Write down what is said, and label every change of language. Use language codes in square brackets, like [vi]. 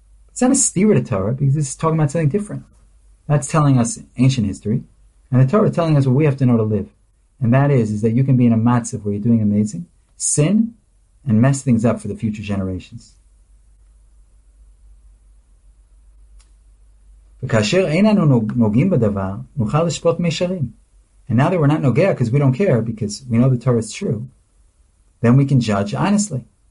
[en] It's not a steer to Torah, because it's talking about something different. That's telling us ancient history, and the Torah is telling us what we have to know to live. And that is that you can be in a matzav where you're doing amazing, sin, and mess things up for the future generations. [he] וכאשר אין אנו נוגעים בדבר, נוכל לשפוט מישרים. [en] And now that we're not nogea, because we don't care, because we know the Torah is true, then we can judge honestly.